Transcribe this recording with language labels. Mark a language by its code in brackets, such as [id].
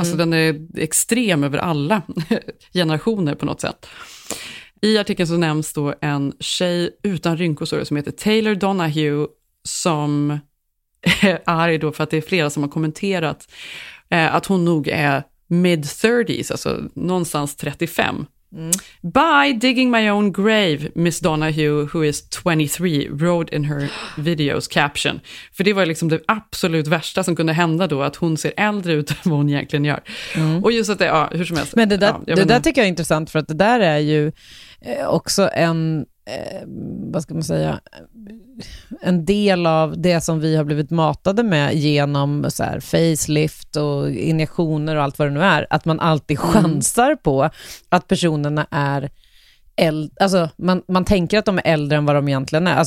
[sv] Alltså den är extrem över alla generationer på något sätt. I artikeln så nämns då en tjej utan rynkor som heter Taylor Donahue som är arg då för att det är flera som har kommenterat att hon nog är mid-30s, alltså någonstans 35. Mm. [en] By digging my own grave, Miss Donahue, who is 23, wrote in her videos caption. [sv] För det var liksom det absolut värsta som kunde hända då, att hon ser äldre ut än vad hon egentligen gör. Mm. Och just att det, ja, hur som helst. Men det där, ja, det där tycker jag är intressant, för att det där är ju också en, vad ska man säga, en del av det som vi har blivit matade med genom så här facelift och injektioner och allt vad det nu är, att man alltid chansar på att personerna är alltså man tänker att de är äldre än vad de egentligen är.